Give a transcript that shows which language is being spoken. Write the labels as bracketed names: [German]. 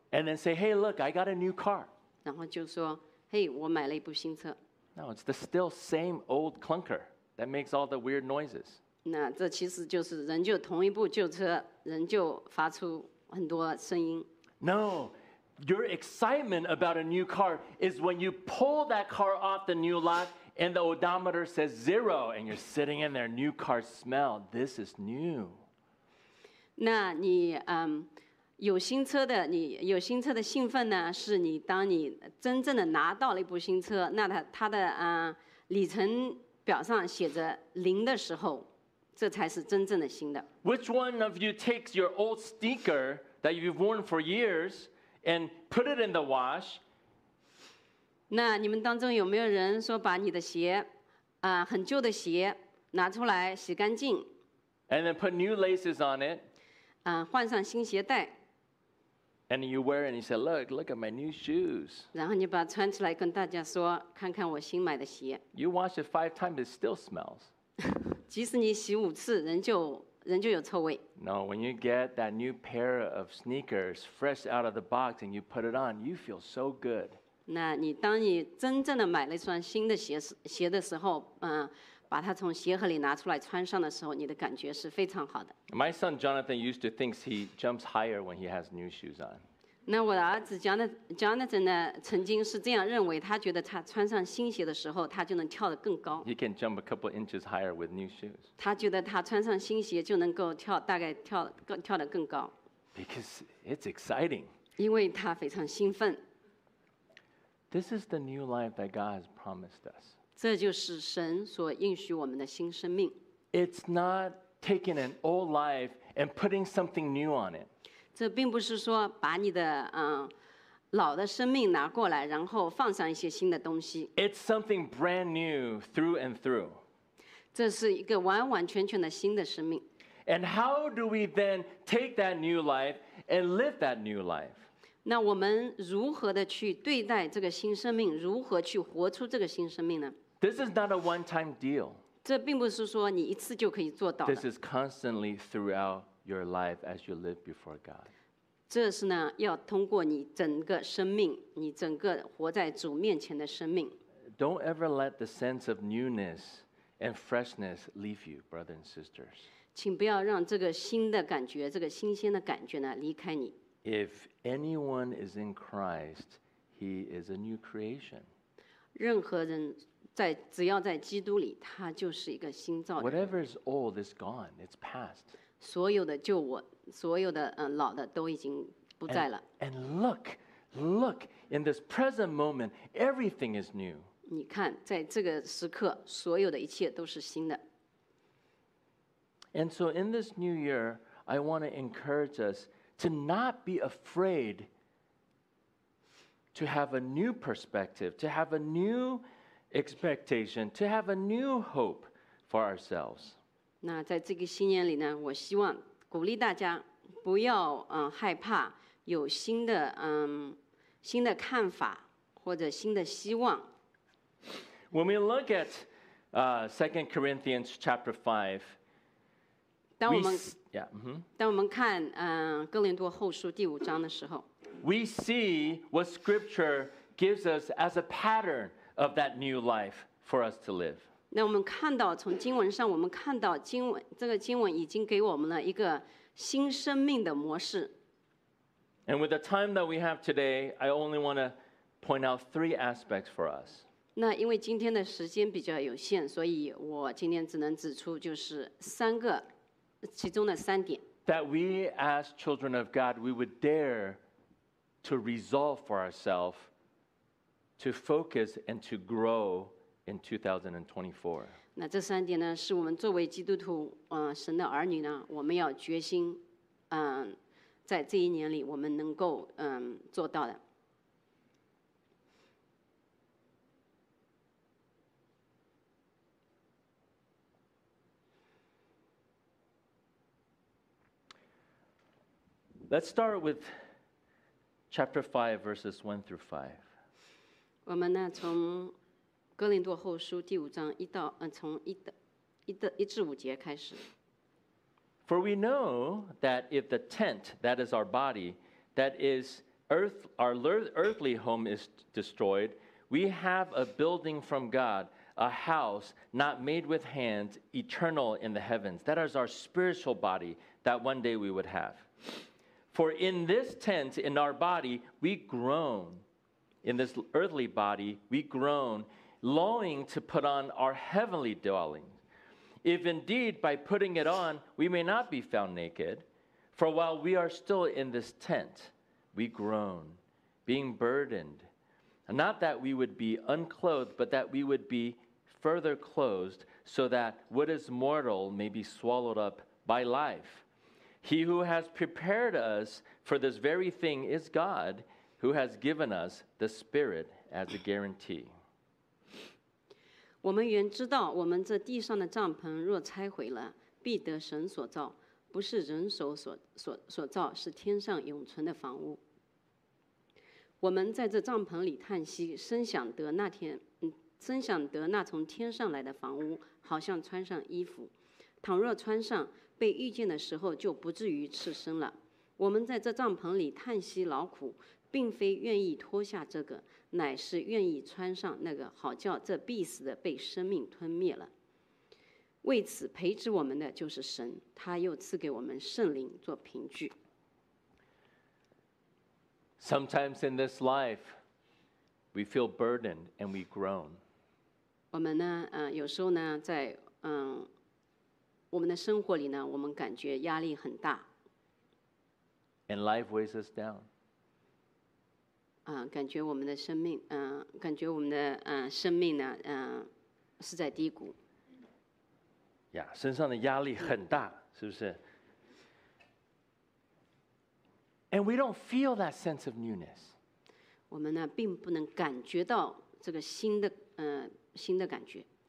[English] And then say, "Hey, look, I got a new car." [Chinese] 然后就说，嘿，我买了一部新车。 [English] No, it's the still same old clunker that makes all the weird noises. [Chinese] 那这其实就是仍旧同一部旧车，仍旧发出很多声音。 [English] No, your excitement about a new car is when you pull that car off the new lot and the odometer says zero, and you're sitting in there. New car smell. This is new. [Chinese] 那你有新车的，你有新车的兴奋呢，是你当你真正的拿到了一部新车，那它的里程表上写着零的时候，这才是真正的新的。 [English] Which one of you takes your old sneaker that you've worn for years and put it in the wash？ [Chinese] 那你们当中有没有人说把你的鞋，很旧的鞋拿出来洗干净 [English] ？And then put new laces on it。 [Chinese] 换上新鞋带。 [English] And you wear it and you say, look, look at my new shoes. [Chinese] 然后你把它穿起来跟大家说，看看我新买的鞋。 [English] You wash it 5 times, it still smells. [Chinese] 即使你洗5次，仍旧有臭味。 [English] No, when you get that new pair of sneakers fresh out of the box and you put it on, you feel so good. [Chinese] 那你当你真正的买了一双新的鞋的时候，把它从鞋盒里拿出来穿上的时候，你的感觉是非常好的。 [English] My son Jonathan used to think he jumps higher when he has new shoes on. [Chinese] 那我的儿子 Jonathan 呢，曾经是这样认为，他觉得他穿上新鞋的时候，他就能跳得更高。 [English] He can jump a couple inches higher with new shoes. [Chinese] 他觉得他穿上新鞋就能够跳得更高。 [English] Because it's exciting. [Chinese] 因为他非常兴奋。 [English] This is the new life that God has promised us. [Chinese] 这就是神所应许我们的新生命。 [English] It's not taking an old life and putting something new on it. [Chinese] 这并不是说把你的老的生命拿过来，然后放上一些新的东西。 [English] It's something brand new through and through. [Chinese] 这是一个完完全全的新的生命。 [English] And how do we then take that new life and live that new life? [Chinese] 那我们如何的去对待这个新生命，如何去活出这个新生命呢？ [English] This is not a one-time deal. [Chinese] 这并不是说你一次就可以做到的。 [English] This is constantly throughout your life as you live before God. [Chinese] 这是呢，要通过你整个生命，你整个活在主面前的生命。 [English] Don't ever let the sense of newness and freshness leave you, brothers and sisters. [Chinese] 请不要让这个新的感觉，这个新鲜的感觉呢，离开你。 [English] If anyone is in Christ, he is a new creation. [Chinese] 任何人在只要在基督里，他就是一个新造的。 [English] Whatever is old is gone, it's past. [Chinese] 所有的旧我，所有的老的都已经不在了。 [English] And look, look, in this present moment, everything is new. [Chinese] 你看，在这个时刻，所有的一切都是新的。 [English] And so in this new year, I want to encourage us. To not be afraid to have a new perspective, to have a new expectation, to have a new hope for ourselves. [Chinese] 那在这个新年里呢，我希望鼓励大家不要害怕有新的看法或者新的希望。 [English] When we look at 2 Corinthians chapter 5, [Chinese] 当我们看哥林多后书第五章的时候 [English] We see what scripture gives us as a pattern of that new life for us to live. [Chinese] 那我们看到从经文上我们看到经文这个经文已经给我们了一个新生命的模式 [English] And with the time that we have today, I only want to point out 3 aspects for us. [Chinese] 那因为今天的时间比较有限所以我今天只能指出就是三个其中的三点 [English] that we as children of God we would dare to resolve for ourselves to focus and to grow in 2024. [Chinese] 那这三点呢，是我们作为基督徒，神的儿女呢，我们要决心，在这一年里，我们能够，做到的。 [English] Let's start with chapter 5, verses 1-5. [Chinese] 我们呢从哥林多后书第五章一到从一至五节开始。 [English] For we know that if the tent, that is our body, that is earth, our earthly home is destroyed, we have a building from God, a house not made with hands, eternal in the heavens. That is our spiritual body that one day we would have. For in this tent, in our body, we groan. In this earthly body, we groan, longing to put on our heavenly dwelling. If indeed by putting it on, we may not be found naked, For while we are still in this tent, we groan, being burdened, not that we would be unclothed, but that we would be further clothed, so that what is mortal may be swallowed up by life. He who has prepared us for this very thing is God, who has given us the Spirit as a guarantee. [Chinese] 我们原知道，我们这地上的帐篷若拆毁了，必得神所造，不是人手所造，是天上永存的房屋。我们在这帐篷里叹息，深想得那从天上来的房屋，好像穿上衣服。倘若穿上，被遇见的时候就不至于赤身了。我们在这帐篷里叹息劳苦，并非愿意脱下这个，乃是愿意穿上那个，好叫这必死的被生命吞灭了。为此培植我们的就是神，他又赐给我们圣灵做凭据。 [English] Sometimes in this life, we feel burdened and we groan. [Chinese] 我们呢，有时候呢，在我们的生活里呢，我们感觉压力很大。 [English] And life weighs us down. [Chinese] 感觉我们的生命，感觉我们的生命呢，是在低谷。呀，身上的压力很大，是不是？ [English] And we don't feel that sense of newness. [Chinese] 我们呢，并不能感觉到这个新的感觉。